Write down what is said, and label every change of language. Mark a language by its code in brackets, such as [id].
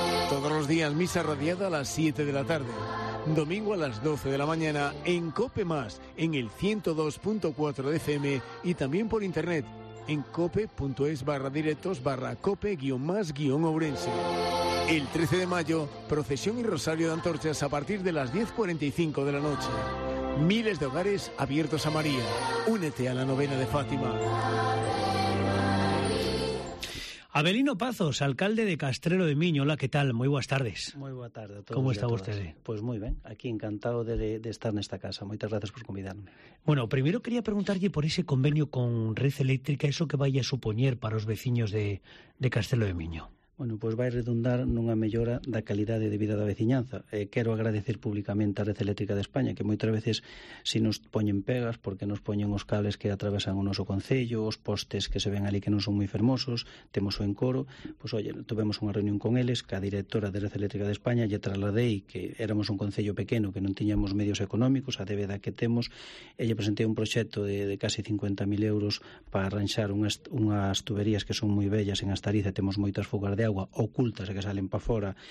[es] Todos los días misa radiada a las 7 de la tarde. Domingo a las 12 de la mañana en COPE Más, en el 102.4 de FM y también por internet en cope.es/directos/cope-más-ourense. El 13 de mayo, procesión y rosario de antorchas a partir de las 10:45 de la noche. Miles de hogares abiertos a María. Únete a la novena de Fátima. Avelino Pazos, alcalde de Castrelo de Miño. Hola, ¿qué tal? Muy buenas tardes. Muy buena tarde a todos. ¿Cómo está usted? Pues muy bien. Aquí encantado de estar en esta casa. Muchas gracias por convidarme. Bueno, primero quería preguntarle por ese convenio con Red Eléctrica, eso que vaya a suponer para los vecinos de Castrelo de Miño. [gl] Bueno, pues vai redundar nunha mellora da calidade de vida da veciñanza. Quero agradecer públicamente a Red Eléctrica de España, que moitas veces si nos poñen pegas, porque nos poñen os cables que atravesan o noso concello, os postes que se ven ali que non son moi fermosos, temos o encoro, pois, oye, tuvemos unha reunión con eles, ca directora de Red Eléctrica de España, lle trasladei que éramos un concello pequeno, que non tiñamos medios económicos, a débeda que temos, e lle presentei un proxecto de casi 50.000 euros para arranxar unhas tuberías que son moi bellas en Astariza, temos moitas fugas de agua ocultas que salen para fora